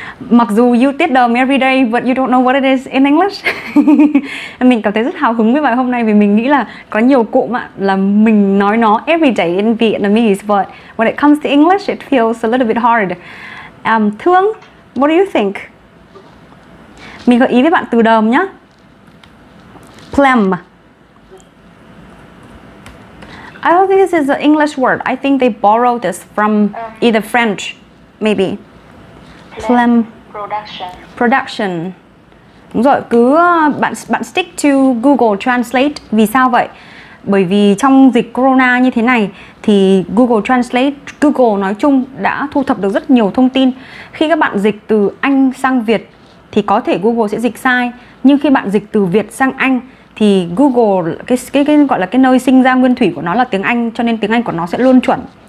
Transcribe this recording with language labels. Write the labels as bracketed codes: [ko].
[vi] Mặc dù [en] you [vi] tiết đờm [en] every day, but you don't know what it is in English. [vi] Mình cảm thấy rất hào hứng với bài hôm nay vì mình nghĩ là có nhiều cụm ạ, là mình nói nó [en] every day in Vietnamese, but when it comes to English, it feels a little bit hard. [vi] Thương, [en] what do you think? [vi] Mình gợi ý với bạn từ đờm nhá. [en] Phlegm. I don't think this is an English word. I think they borrowed this from either French, maybe. Phlegm. Production. [vi] Đúng rồi, cứ bạn [en] stick to [vi] Google Translate. Vì sao vậy? Bởi vì trong dịch corona như thế này thì Google Translate, Google nói chung đã thu thập được rất nhiều thông tin. Khi các bạn dịch từ Anh sang Việt thì có thể Google sẽ dịch sai, nhưng khi bạn dịch từ Việt sang Anh thì Google, cái gọi là cái nơi sinh ra nguyên thủy của nó là tiếng Anh, cho nên tiếng Anh của nó sẽ luôn chuẩn.